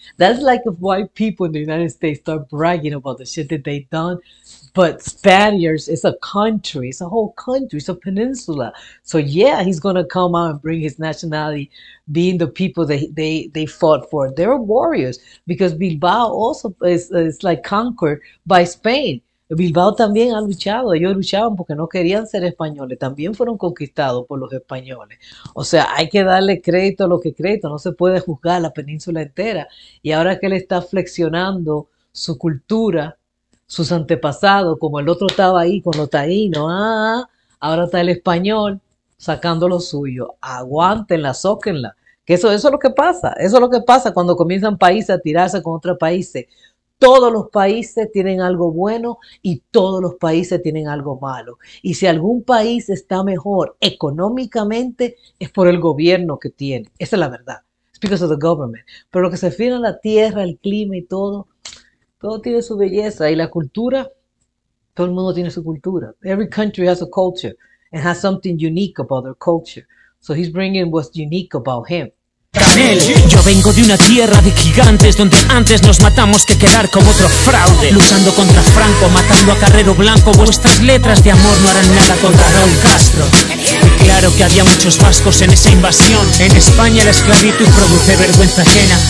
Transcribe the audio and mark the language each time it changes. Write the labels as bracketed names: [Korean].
[English] That's like why people in the United States start bragging about the shit that they've done. But Spaniards is a country. It's a whole country. It's a peninsula. So yeah, he's gonna come out and bring his nationality, being the people that they fought for. They're warriors because Bilbao also is like conquered by Spain. [Spanish] Bilbao también ha luchado, ellos luchaban porque no querían ser españoles, también fueron conquistados por los españoles. O sea, hay que darle crédito a lo que es crédito, no se puede juzgar la península entera. Y ahora que él está flexionando su cultura, sus antepasados, como el otro estaba ahí con los taínos, ahora está el español sacando lo suyo. Aguántenla, sóquenla, que eso es lo que pasa, eso es lo que pasa cuando comienzan países a tirarse con otros países. Todos los países tienen algo bueno y todos los países tienen algo malo. Y si algún país está mejor económicamente, es por el gobierno que tiene. Esa es la verdad. [English] It's because of the government. [Spanish] Pero lo que se refiere a la tierra, el clima y todo, todo tiene su belleza. Y la cultura, todo el mundo tiene su cultura. [English] Every country has a culture and has something unique about their culture. So he's bringing what's unique about him. [Spanish] Canel. Yo vengo de una tierra de gigantes, donde antes nos matamos que quedar como otro fraude. Luchando contra Franco, matando a Carrero Blanco, vuestras letras de amor no harán nada contra Raúl Castro. Y claro que había muchos vascos en esa invasión. En España la esclavitud produce vergüenza ajena.